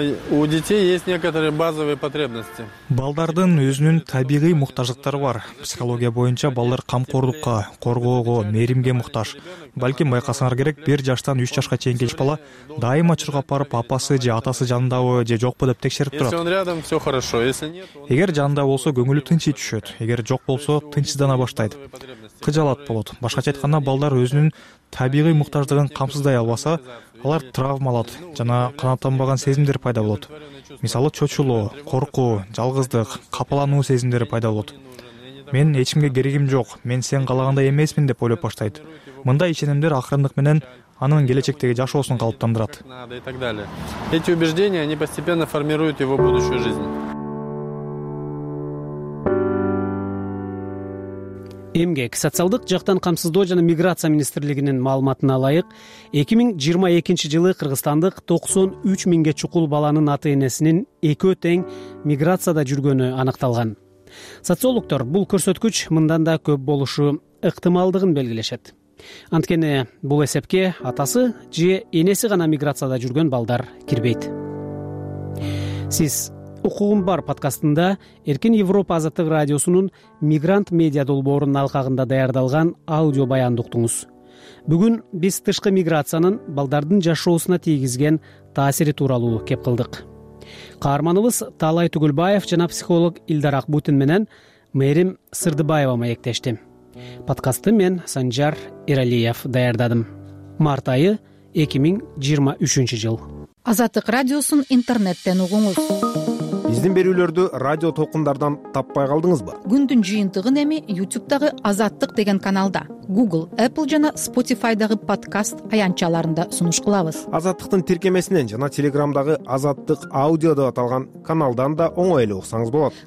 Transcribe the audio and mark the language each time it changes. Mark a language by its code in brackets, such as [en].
[ru] У детей есть некоторые базовые потребности. [ky] Балдардын өзүнүн табигый муктаждыктары бар. Психология боюнча балдар камкордукка, коргоого, мээримге муктаж. Балким байкасаңар керек, 1 жаштан 3 жашка чейин келиш бала дайыма чырга барып апасы же атасы жанындабы же жокпу деп текшерип турат. [ru] Если он рядом, все хорошо. Если нет, [ky] эгер жанында болсо көңүлү тынчы түшөт. Эгер жок болсо тынчсыздана баштайт. Кыжалат болот. Башкача айтканда балдар өзүнүн табигый муктаждыгын камсыздай албаса, алар травма алат жана канааттанбаган сезимдер пайда болот. Мисалы, чочулоо, коркуу, жалгыздык, капалануу сезимдери пайда болот. Мен эч кимге керегим жок, мен сен каалагандай эмесмин деп ойлоп баштайт. Мындай ишенимдер акырындык менен анын келечектеги жашоосун калыптандырат. [ru] Эти убеждения, они постепенно формируют его будущую жизнь. [ky] Эмгек, социалдык жактан камсыздоо жана миграция министрлигинин маалыматына ылайык, 2022 жылы кыргызстандык 93 миңге чукул баланын ата энесинин экөө тең миграцияда жүргөнү аныкталган. Социологдор бул көрсөткүч мындан да көп болушу ыктымалдыгын белгилешет. Анткени бул эсепке атасы же энеси гана миграцияда жүргөн балдар кирбейт. Сиз Укугум бар подкастында Эркин Европа Азаттык радиосунун мигрант медиа долбоорунун алкагында даярдалган аудио баянды уктуңуз. Бүгүн биз тышкы миграциянын балдардын жашоосуна тийгизген таасири тууралуу кеп кылдык. Каарманыбыз Талай Түгөлбаев жана психолог Элдар Акбутин менен Мэрим Сырдыбаева маектешти. Подкастты мен Санжар Иралиев даярдадым. Март айы 2023 жыл. Азаттык радиосун интернеттен угуңуз. Биздин берүүлөрдү радио толкундардан таппай калдыңызбы? Күндүн жыйынтыгын эми YouTube-дагы Азаттык деген каналда, Google, Apple жана Spotify-дагы подкаст аянтчаларында сунуш кылабыз. Азаттыктын тиркемесинен жана Telegram-дагы Азаттык аудио деп аталган каналдан да оңой эле уксаңыз болот.